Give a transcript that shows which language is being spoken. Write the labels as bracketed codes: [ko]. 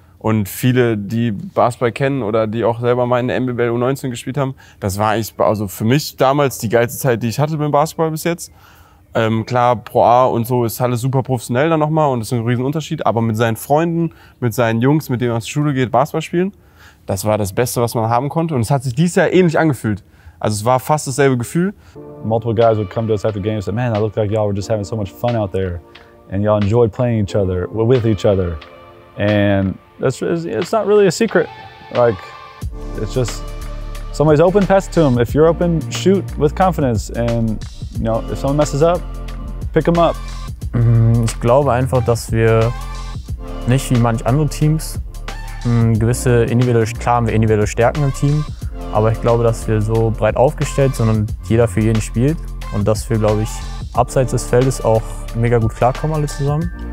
[de] Und viele, die Basketball kennen oder die auch selber mal in der NBBL U19 gespielt haben, das war eigentlich also für mich damals die geilste Zeit, die ich hatte beim Basketball bis jetzt. Klar, Pro A und so ist alles super professionell dann nochmal und das ist ein Riesenunterschied. Aber mit seinen Freunden, mit seinen Jungs, mit denen man zur Schule geht, Basketball spielen, das war das Beste, was man haben konnte. Und es hat sich dieses Jahr ähnlich angefühlt. Also es war fast dasselbe Gefühl. [en] Multiple guys would come to us after games and say, man, I looked like y'all were just having so much fun out there. And y'all enjoyed playing each other, with each other. And it's not really a secret. Like, it's just, somebody's open, pass it to them. If you're open, shoot with confidence. And, you know, if someone messes up, pick them up. [de] Ich glaube einfach, dass wir nicht wie manch andere Teams gewisse individuelle, klar haben wir individuelle Stärken im Team. Aber ich glaube, dass wir so breit aufgestellt sind und jeder für jeden spielt. Und dass wir, glaube ich, abseits des Feldes auch mega gut klarkommen alle zusammen.